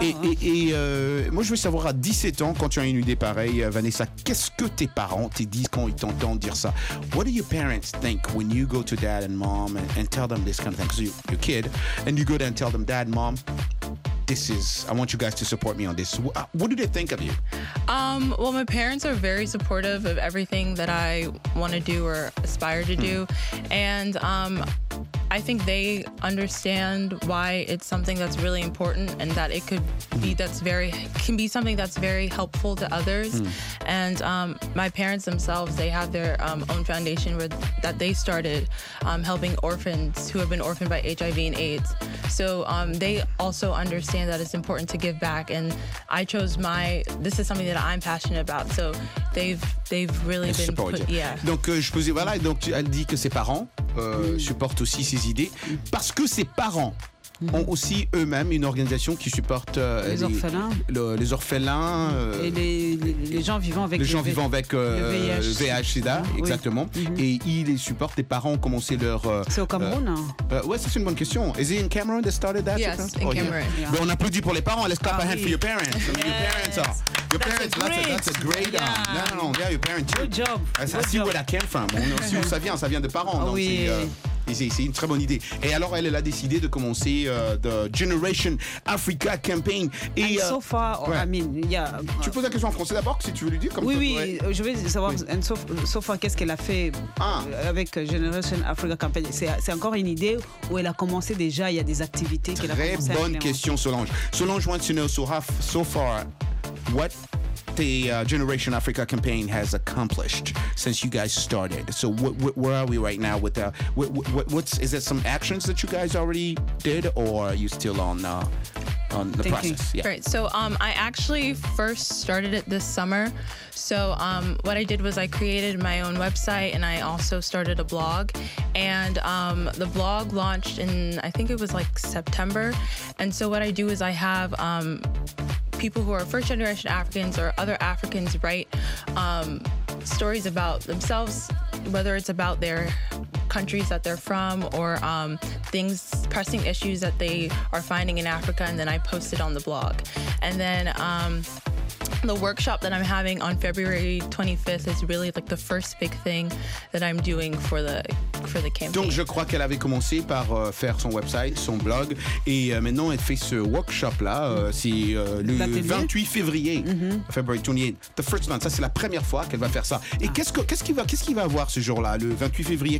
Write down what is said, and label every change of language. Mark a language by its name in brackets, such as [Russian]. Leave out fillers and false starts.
[French] Et moi, je veux savoir, à 17 ans, quand tu as une idée pareille, Vanessa, qu'est-ce que tes parents te disent quand ils t'entendent dire ça? [English] What do your parents think when you go to dad and mom and tell them this kind of thing? Because you're a kid, and you go there and tell them, dad, mom, this is, I want you guys to support me on this. What do they think of you? Well, my parents are very supportive of everything that I want to do or aspire to do. And I think they understand why it's something that's really important and that it could be something that's very helpful to others. And my parents themselves, they have their own foundation that they started helping orphans who have been orphaned by HIV and AIDS. So they also understand that it's important to give back. And I chose this is something that I'm passionate about. So they've really been [French] Donc je posais, voilà, donc elle dit que ses parents supportent aussi ses idées parce que ses parents ont aussi eux-mêmes une organisation qui supporte les orphelins et les gens vivant avec le VIH/SIDA, exactement. Oui. Mm-hmm. Et ils les supportent. Les parents ont commencé leur c'est au Cameroun. Ouais, ça c'est une bonne question. [English] Is it in Cameroon they started that? Yes, in Cameroon. Yeah. [French] Ben, on applaudit pour les parents. [English] Let's clap a hand for your parents. Yes. Your parents are. Your parents, that's a great yeah. No, yeah, your parents. Good job. That's good job. Where that came from. [French] Si où ça vient de parents. Oui. C'est une très bonne idée. Et alors, elle a décidé de commencer The Generation Africa Campaign. Et [English] so far, ouais. I mean, yeah. [French] Tu poses la question en français d'abord, si tu veux lui dire. Comme oui, je veux savoir, oui. [English] And so far, [French] qu'est-ce qu'elle a fait avec Generation Africa Campaign? C'est encore une idée où elle a commencé déjà, il y a des activités qu'elle a commencé. Très bonne question, Solange. [English] Solange wants to know, so far, what the Generation Africa campaign has accomplished since you guys started. So where are we right now with what's is there some actions that you guys already did or are you still on the thinking. Process? Yeah. Right. So I actually first started it this summer. So what I did was I created my own website and I also started a blog. And the blog launched in I think it was like September. And so what I do is I have people who are first generation Africans or other Africans write stories about themselves, whether it's about their countries that they're from or things, pressing issues that they are finding in Africa, and then I post it on the blog. And then the workshop that I'm having on February 25th is really like the first big thing that I'm doing for the campaign. [French] Donc je crois qu'elle avait commencé par faire son website, son blog, et maintenant elle fait ce workshop là. C'est le 28 février, mm-hmm. [English] February 28th. The first one. [French] Ça c'est la première fois qu'elle va faire ça. Et qu'est-ce qu'il va avoir ce jour-là, le 28 février?